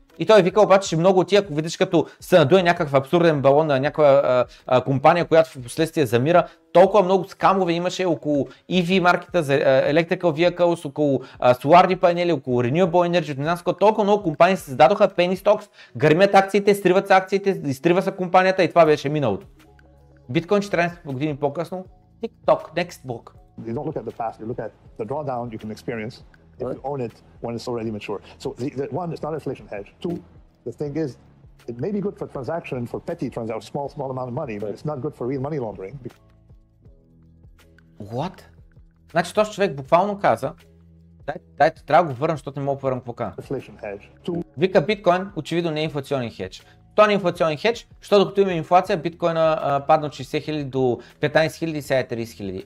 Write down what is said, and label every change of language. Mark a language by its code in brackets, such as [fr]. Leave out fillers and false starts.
[bg] И той вика обаче, че много от тия, ако видиш като се надуе някакъв абсурден балон на някаква компания, която в последствие замира, толкова много скамове имаше около EV маркета за electrical vehicles, около соларни панели, около renewable energy, не знам, толкова много компании се създадоха penny stocks, гърмят акциите, стриват се акциите, изтрива се компанията и това беше миналото. Биткоин 14 години по-късно, TikTok, next book. [en] You don't look at the past, you look at the drawdown you can experience. If you own it when it's already mature. So the one, it's not an inflation hedge. Two, the thing is, it may be good for transaction, for petty transaction, small amount of money, but it's not good for real money laundering. What? [bg] Значи този човек буквално каза, дайте, трябва да го върна, защото не мога да върна какво каза. Вика, биткоин очевидно не е инфлационен хедж. то е инфлационен хедж, защото докато има инфлация, биткоина падна от 60 000 до 15 000 и сега е 30 000.